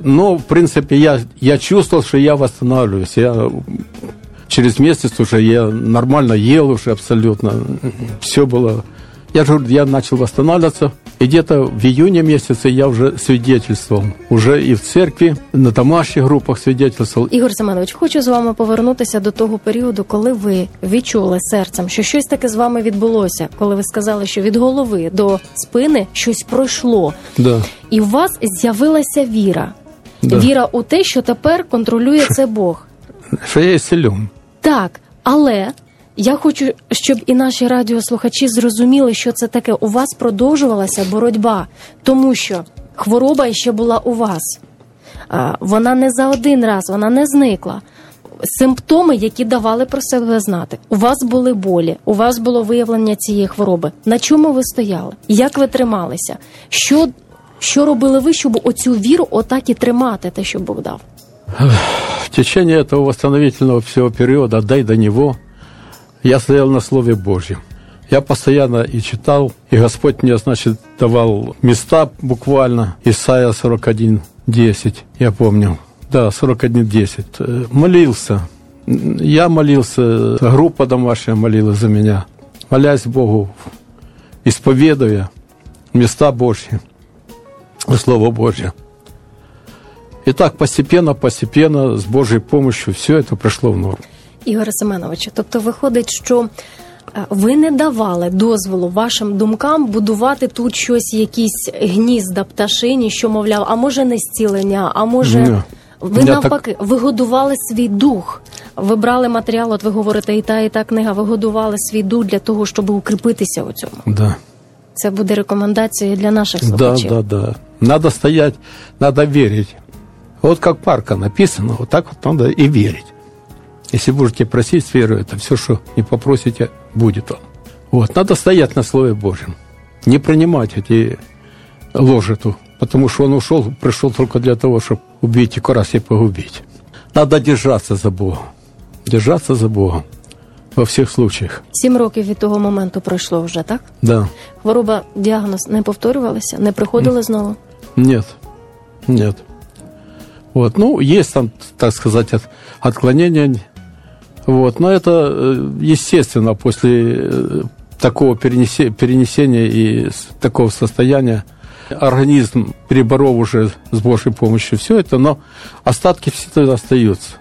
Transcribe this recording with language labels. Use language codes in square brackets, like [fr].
[ru] Но, в принципе, я чувствовал, что я восстанавливаюсь. Я... Через месяц уже я нормально ел уже абсолютно. Все было... Я начал восстанавливаться. И где-то в июне месяце я уже свидетельствовал. Уже и в церкви, на домашних группах свидетельствовал. [uk] Ігор Семенович, хочу з вами повернутися до того періоду, коли ви відчули серцем, що щось таке з вами відбулося. Коли ви сказали, що від голови до спини щось пройшло. Да. І у вас з'явилася віра. Да. Віра у те, що тепер контролює це Бог. Що я ісцілен. Так, але я хочу, щоб і наші радіослухачі зрозуміли, що це таке. У вас продовжувалася боротьба, тому що хвороба ще була у вас. Вона не за один раз, вона не зникла. Симптоми, які давали про себе знати. У вас були болі, у вас було виявлення цієї хвороби. На чому ви стояли? Як ви трималися? Що робили ви, щоб оцю віру отак і тримати, те, що Бог дав? [ru] В течение этого восстановительного всего периода, дай до него, я стоял на Слове Божьем. Я постоянно и читал, и Господь мне, значит, давал места буквально. Исайя 41:10, я помню. Да, 41:10. Молился. Я молился, группа домашняя молилась за меня. Молясь Богу, исповедуя места Божьи и Слово Божье. [uk] І так постепенно, постепенно, з Божою допомогою, все це прийшло в норму. Ігор Семенович, тобто виходить, що ви не давали дозволу вашим думкам будувати тут щось, якісь гнізда пташині, що, мовляв, а може не зцілення, а може... Ні. Ви навпаки, ви годували свій дух, ви брали матеріал, от ви говорите, і та книга, ви годували свій дух для того, щоб укріпитися у цьому. Да. Це буде рекомендацією для наших слухачів. Да, да, да. Надо стояти, надо вірити. [ru] Вот как парка написано, вот так вот надо и верить. Если будете просить с верой, это все, что не попросите, будет он. Вот, надо стоять на Слове Божьем, не принимать эти ложи, потому что он ушел, пришел только для того, чтобы убить и красть, и погубить. Надо держаться за Богом, держаться за Богом во всех случаях. [uk] 7 років від того моменту пройшло вже, так? Да. Хвороба, діагноз не повторювалася, не приходила знову? [ru] Нет, нет. Вот. Ну, есть там, так сказать, отклонения. Вот. Но это, естественно, после такого перенесения и такого состояния организм переборол уже с Божьей помощью все это, но остатки все остаются.